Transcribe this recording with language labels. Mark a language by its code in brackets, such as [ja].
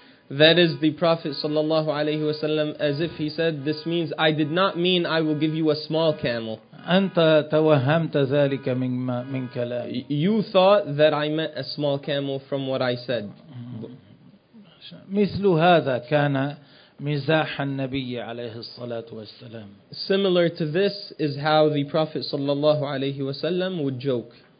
[en] That is the Prophet sallallahu alayhi wa sallam, as if he said, this means, I did not mean I will give you a small camel. [ar] أنت توهمت ذلك من كلام. [en] You thought that I meant a small camel from what I said. [ar] مثل هذا كان مزاح النبي عليه الصلاة والسلام. [en] Similar to this is how the Prophet sallallahu alayhi wa sallam would joke.